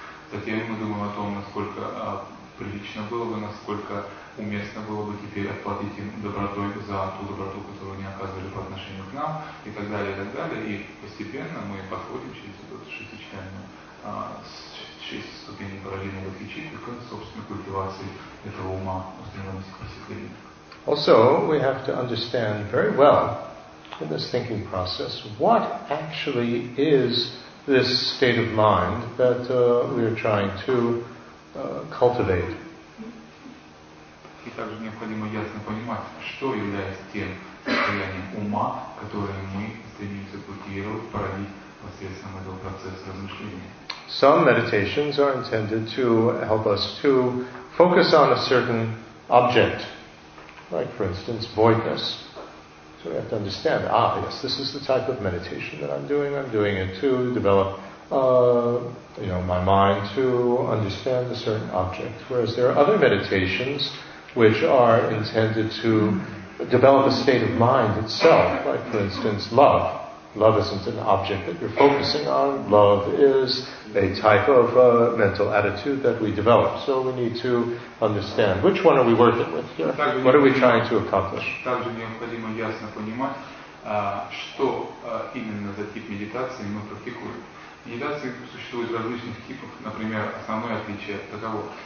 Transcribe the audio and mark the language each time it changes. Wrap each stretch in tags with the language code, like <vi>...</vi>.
<ru>Затем мы думаем о том, насколько прилично было бы, насколько уместно было бы теперь оплатить им добротой за ту доброту, которую они оказывали по отношению к нам, и так далее, и так далее. И постепенно мы подходим через эту шестичленную, шесть ступеней параллельно бодхичитты к собственной культивации этого ума, устремленности к просветлению.</ru> <en>Also, we have to understand very well in this thinking process what actually is this state of mind that we are trying to cultivate.</en> <ru>И также необходимо ясно понимать, что является тем состоянием ума, которое мы стремимся культивировать, породить посредством этого процесса размышления.</ru> <en>Some meditations are intended to help us to focus on a certain object, like, for instance, voidness. So we have to understand, yes, this is the type of meditation that I'm doing. I'm doing it to develop my mind to understand a certain object. Whereas there are other meditations which are intended to develop a state of mind itself, like, for instance, love. Love isn't an object that you're focusing on. Love is a type of mental attitude that we develop. So we need to understand which one are we working with here? What are we trying to accomplish?</en> <ru>Также необходимо ясно понимать, что именно за тип медитации мы практикуем. Медитации существуют различных типов. Например, основное отличие таково.</ru>